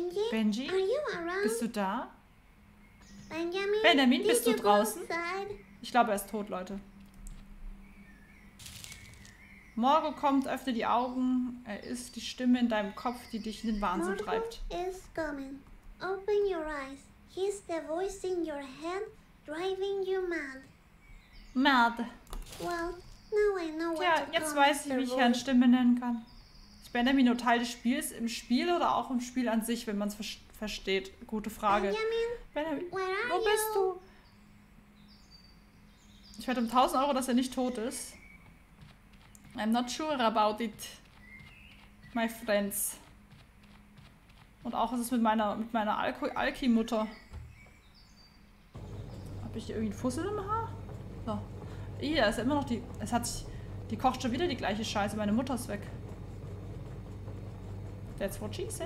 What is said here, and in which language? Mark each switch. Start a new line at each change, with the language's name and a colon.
German: Benji, bist du da? Benjamin, bist du draußen? Ich glaube, er ist tot, Leute. Morgo kommt, öffne die Augen. Er ist die Stimme in deinem Kopf, die dich in den Wahnsinn treibt.
English: Morgo is coming. Open your eyes. He's the voice in your head, driving you mad. Mad. Well, now I know what.
German: Ja, jetzt weiß ich, wie ich Herrn Stimme nennen kann. Ist Benjamin nur Teil des Spiels im Spiel oder auch im Spiel an sich, wenn man es versteht? Gute Frage. Benjamin, wo bist du? Ich wette um 1000 Euro, dass er nicht tot ist.
English: I'm not sure about it, my friends.
German: Und auch, was ist mit meiner Alki-Mutter? Hab ich hier irgendwie einen Fussel im Haar? So. Ja, ist immer noch die. Es hat sich. Die kocht schon wieder die gleiche Scheiße. Meine Mutter ist weg.
English: That's what she said.